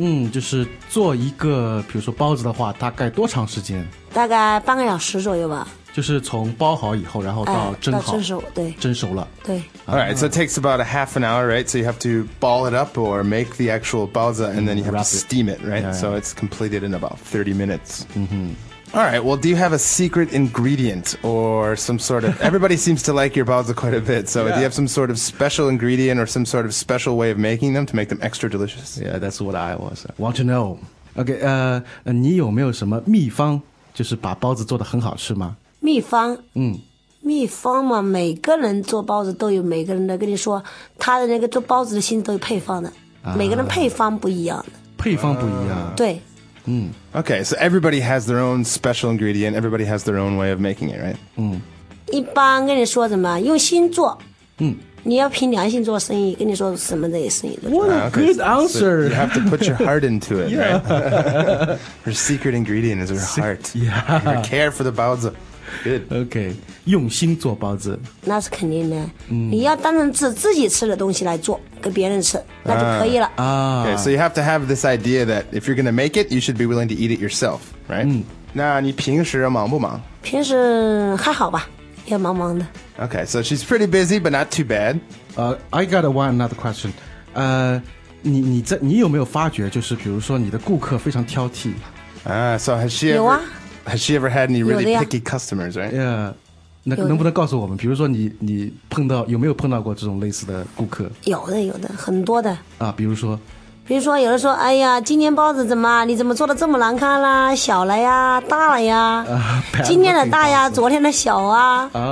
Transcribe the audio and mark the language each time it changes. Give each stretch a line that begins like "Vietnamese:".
Chinese: 就是做一个比如说包子的话大概多长时间？大概半个小时左右吧。就是从包好以后然后到蒸好。到蒸熟，对。蒸熟了。对。
English: All right, so it takes about a half an hour, right? So you have to ball it up or make the actual baozi and then you have to steam it, right? Yeah. So it's completed in about 30 minutes. Mm-hmm. All right, well, do you have a secret ingredient or some sort of... Everybody seems to like your baozi quite a bit. So do you have some sort of special ingredient or some sort of special way of making them to make them extra delicious? Yeah, that's what I was. Want to know.
Chinese: Okay, 你有没有什么秘方就是把包子做得很好吃吗? 秘方，秘方嘛，每个人做包子都有每个人的，跟你说，他的那个做包子的心都有配方的，每个人配方不一样的，配方不一样，对，
English: Okay, so everybody has their own special ingredient, everybody has their own way of making it, right?
Chinese: 一般跟你说怎么，用心做，你要凭良心做生意，跟你说什么的生意都
English: 做。What a good answer! So you have to put your heart into it, right? Her secret ingredient is her heart, her care for the baozi. Good.
Chinese: Okay, 用心做包子。那是肯定的。你要当成自己吃的东西来做，给别人吃，那就可以了。
English: Okay, so you have to have this idea that if you're going to make it, you should be willing to eat it yourself, right?
Chinese: 那你平时忙不忙？平时还好吧，也忙忙的。
English: Okay, so she's pretty busy, but not too bad. I got one another question.
Chinese: 你有没有发觉，就是比如说你的顾客非常挑剔？
English: So has she ever...
Chinese: 有啊。
English: Has she ever had any really picky customers, right? Yeah.
Chinese: 能不能告诉我们，比如说你碰到，有没有碰到过这种类似的顾客？有的，有的，很多的。比如说？比如说有的说，哎呀，今天包子怎么，你怎么做的这么难看啦，小了呀，大了呀，今天的大呀，昨天的小啊。